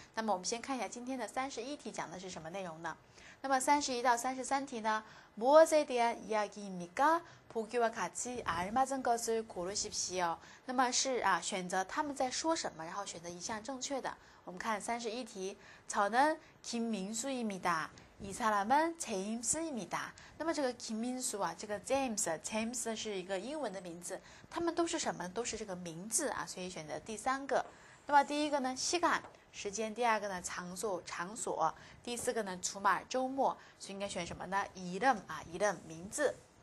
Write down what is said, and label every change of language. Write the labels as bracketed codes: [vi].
[zh] 那么我们先看一下今天的31题讲的是什么内容呢？那么31到33题呢， [ko] 무엇에대한이야기입니까？ 보기와같이알맞은것을고르십시오。 [zh] 那么是啊，选择他们在说什么，然后选择一项正确的。我们看31题， [ko] 저는김민수입니다。 이사람은제임스입니다。 [zh] 那么这个김민수啊，这个James 是一个英文的名字，他们都是什么？都是这个名字啊，所以选择第三个。那么第一个呢，시간时间；第二个呢，场所；第四个呢，주말周末。所以应该选什么呢？이름啊，이름名字。